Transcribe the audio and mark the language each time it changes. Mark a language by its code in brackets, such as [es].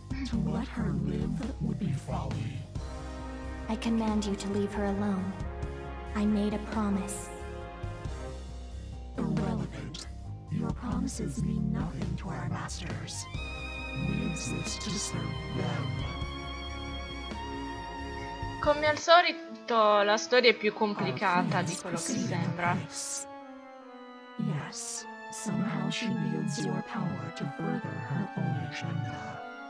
[en] To let her live would be folly. I command you to leave her alone. I made a promise. Irrelevant. Your promises mean nothing to our masters. We exist to serve them. [it] Come al solito, la storia è più complicata di quello che sembra. [en] Yes. Somehow she wields your power to further her own agenda.